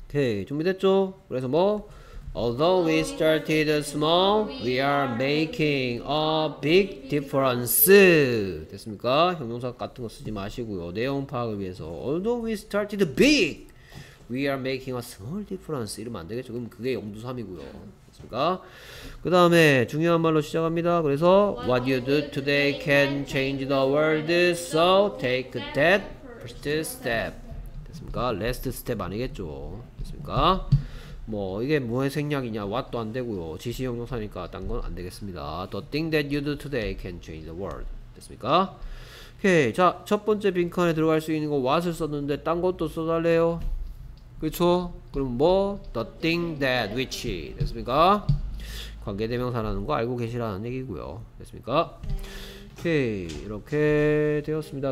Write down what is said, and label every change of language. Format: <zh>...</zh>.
<ko>오케이 준비됐죠? 그래서 뭐?</ko> <en>Although we started small, we are making a big difference.</en> <ko>됐습니까? 형용사 같은 거 쓰지 마시고요. 내용 파악을 위해서.</ko> <en>Although we started big, we are making a small difference.</en> <ko>이러면 안 되겠죠? 그럼 그게 용두삼이고요. 됐습니까? 그 다음에 중요한 말로 시작합니다. 그래서</ko> <en>What you do today can change the world, so take that first step.</en> <ko>됐습니까?</ko> <en>Last step</en> <ko>아니겠죠? 됐습니까? 뭐 이게 뭐의 생략이냐 what도 안되고요 지시형용사니까 딴건 안되겠습니다.</ko> <en>The thing that you do today can change the world</en> <ko>됐습니까? 오케이 자 첫번째 빈칸에 들어갈 수 있는거 what을 썼는데 딴 것도 써달래요. 그쵸? 그럼 뭐?</ko> <en>The thing that which</en> <ko>됐습니까? 관계대명사라는거 알고 계시라는 얘기고요 됐습니까? 오케이 이렇게 되었습니다.</ko>